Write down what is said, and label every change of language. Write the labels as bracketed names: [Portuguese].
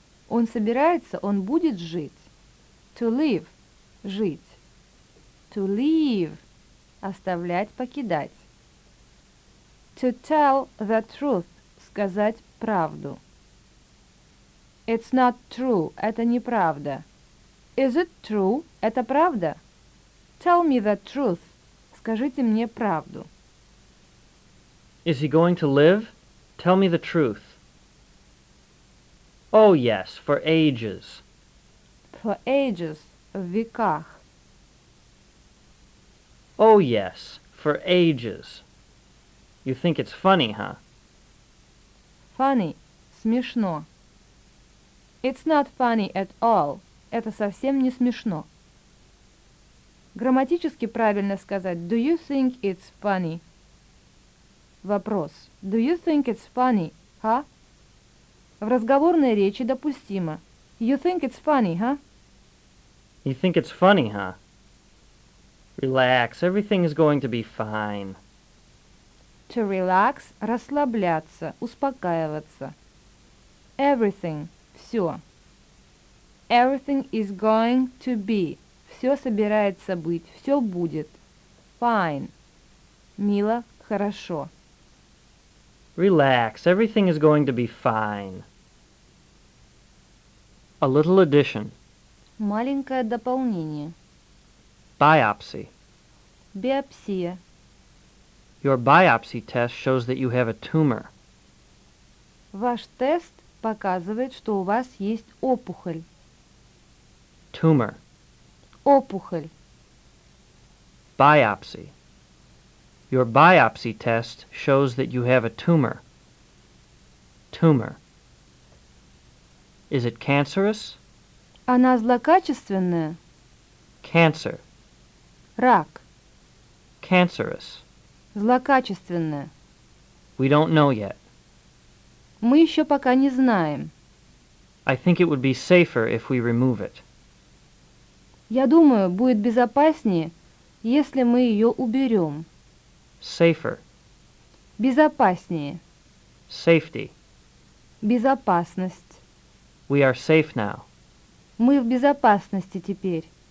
[Russian] Он собирается, он будет жить. [English] To live – [Russian] жить. [English] To leave – [Russian] оставлять, покидать. [English] To tell the truth – [Russian] сказать правду. [English] It's not true – [Russian] это неправда. [English] Is it true – [Russian] это правда? [English] Tell me the truth – [Russian] скажите мне правду. [English] Is he going to live? Tell me the truth. Oh, yes, for ages. For ages, [Russian] в веках. [English] Oh, yes, for ages. You think it's funny, huh? Funny. [Russian] Смешно. [English] It's not funny at all. [Russian] Это совсем не смешно. Грамматически правильно сказать [English] «Do you think it's funny?» [Russian] Вопрос. [English] «Do you think it's funny, huh?» [Russian] В разговорной речи допустимо. [English] «You think it's funny, huh?» «You think it's funny, huh?» «Relax, everything is going to be fine». «To relax» [Russian] – расслабляться, успокаиваться. [English] «Everything» [Russian] – все. [English] «Everything is going to be» [Russian] – все собирается быть, все будет. [English] «Fine» [Russian] – мило, хорошо. [English] «Relax, everything is going to be fine». A little addition. [Russian] Маленькое дополнение. [English] Biopsy. [Russian] Биопсия. [English] Your biopsy test shows that you have a tumor. [Russian] Ваш тест показывает, что у вас есть опухоль. [English] Tumor. [Russian] Опухоль. [English] Biopsy. Your biopsy test shows that you have a tumor. Tumor. Is it cancerous? [Russian] Она злокачественная. [English] Cancer. [Russian] Рак. [English] Cancerous. [Russian] Злокачественная. [English] We don't know yet. [Russian] Мы еще пока не знаем. [English] I think it would be safer if we remove it. [Russian] Я думаю, будет безопаснее, если мы ее уберем. [English] Safer. [Russian] Безопаснее. [English] Safety. [Russian] Безопасность. [English] We are safe now. [Russian] Мы в безопасности теперь.